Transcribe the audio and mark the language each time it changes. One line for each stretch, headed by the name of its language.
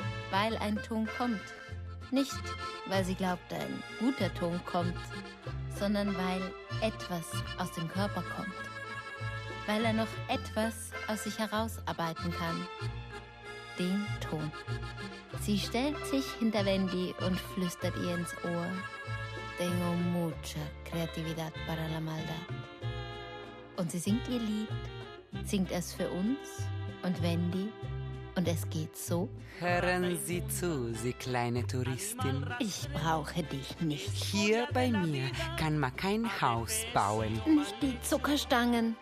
German: Weil ein Ton kommt. Nicht, weil sie glaubt, ein guter Ton kommt, sondern weil etwas aus dem Körper kommt. Weil er noch etwas aus sich herausarbeiten kann. Den Ton. Sie stellt sich hinter Wendy und flüstert ihr ins Ohr.
Spanish: Tengo mucha creatividad para la maldad.
German: Und sie singt ihr Lied, singt es für uns und Wendy. Und es geht so. Hören Sie zu, Sie kleine Touristin. Ich brauche dich nicht. Hier bei mir kann man kein Haus bauen. Nicht die Zuckerstangen.